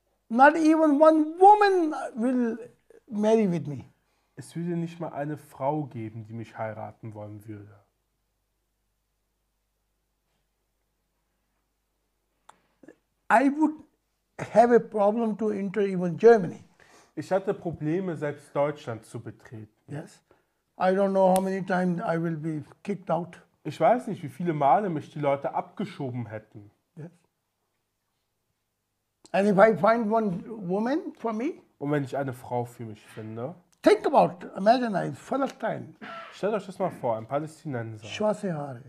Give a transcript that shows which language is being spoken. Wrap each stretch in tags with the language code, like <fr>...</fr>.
<en>Not even one woman will marry with me.</en> <de>Es würde nicht mal eine Frau geben, die mich heiraten wollen würde.</de> <en>I would have a problem to enter even Germany.</en> <de>Ich hatte Probleme, selbst Deutschland zu betreten.</de> <en>Yes. I don't know how many times I will be kicked out.</en> <de>Ich weiß nicht, wie viele Male mich die Leute abgeschoben hätten.</de> <en>Yes. And if I find one woman for me?</en> <de>Und wenn ich eine Frau für mich finde?</de> <en>Think about, imagine I'm Palestine.</en> <de>Stellt euch das mal vor, ein Palästinenser. Schwarze Haare.</de>